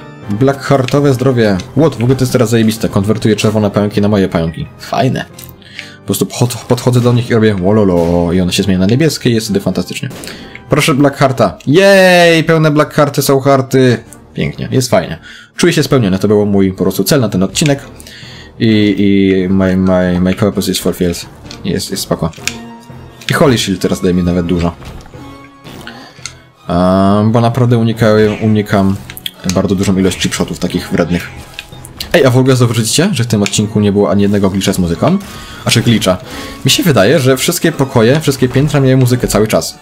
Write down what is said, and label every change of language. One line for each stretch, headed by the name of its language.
Polish: Blackheartowe zdrowie.
English: What?
Polish: W ogóle to jest teraz zajebiste. Konwertuję czerwone pająki na moje pająki. Fajne. Po prostu podchodzę do nich i robię wololo i one się zmienia na niebieskie i jest wtedy fantastycznie. Proszę blackhearta. Jej, pełne blackhearty są hearty. Pięknie, jest fajnie. Czuję się spełniony, to był mój po prostu cel na ten odcinek.
English: I my purpose is fulfilled.
Polish: Jest spoko. I Holy Shield teraz daje mi nawet dużo. Bo naprawdę unikam bardzo dużą ilość chipshotów takich wrednych. Ej, a w ogóle zauważycie, że w tym odcinku nie było ani jednego glitcha z muzyką? Znaczy glitcha. Mi się wydaje, że wszystkie pokoje, wszystkie piętra miały muzykę cały czas.